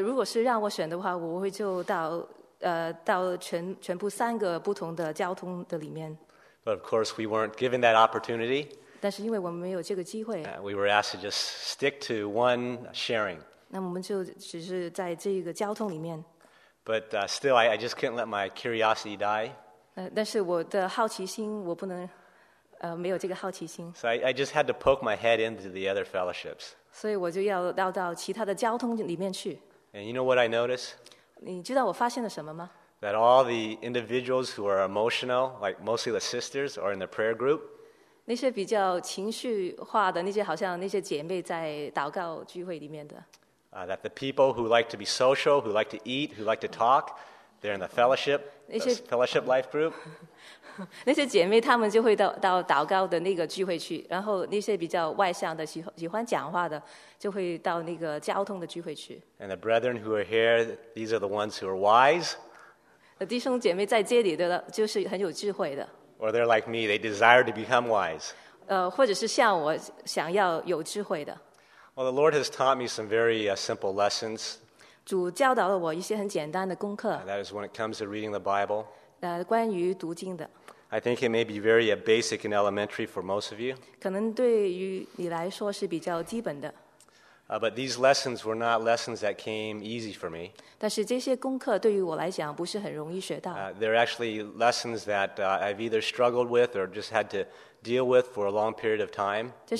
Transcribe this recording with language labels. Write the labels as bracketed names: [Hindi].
[Chinese] 如果是让我选的话，我会就到到全部三个不同的交通的里面。 [English] But of course, we weren't given that opportunity. [Chinese] 但是因为我们没有这个机会。 [English] We were asked to just stick to one sharing. [Chinese] 那我们就只是在这个交通里面。 [English] But still, I just couldn't let my curiosity die. [Chinese] 但是我的好奇心，我不能。没有这个好奇心。 [English] So I just had to poke my head into the other fellowships. [Chinese] 所以我就要到其他的交通里面去。 [English] And you know what I noticed? [Chinese] 你知道我发现了什么吗？ [English] That all the individuals who are emotional, like mostly the sisters, are in the prayer group. [Chinese] 那些比较情绪化的那些好像那些姐妹在祷告聚会里面的。 [English] That the people who like to be social, who like to eat, who like to talk, They're in the fellowship, the fellowship life group. [Chinese] 那些姐妹她们就会到祷告的那个聚会去 然后那些比较外向的喜欢讲话的 就会到那个交通的聚会去 [English] And the brethren who are here, these are the ones who are wise. [Chinese] 弟兄姐妹在这里的就是很有智慧的 [English] Or they're like me, they desire to become wise. [Chinese] 或者是像我想要有智慧的 [English] Well, the Lord has taught me some very simple lessons. [Chinese] 主教导了我一些很简单的功课 [English] That is when it comes to reading the Bible. [Chinese] 关于读经的 [English] I think it may be very basic and elementary for most of you. [Chinese] 可能对于你来说是比较基本的 [English] But these lessons were not lessons that came easy for me. [Chinese] 但是这些功课对于我来讲不是很容易学到 [English] They're actually lessons that I've either struggled with or just had to deal with for a long period of time.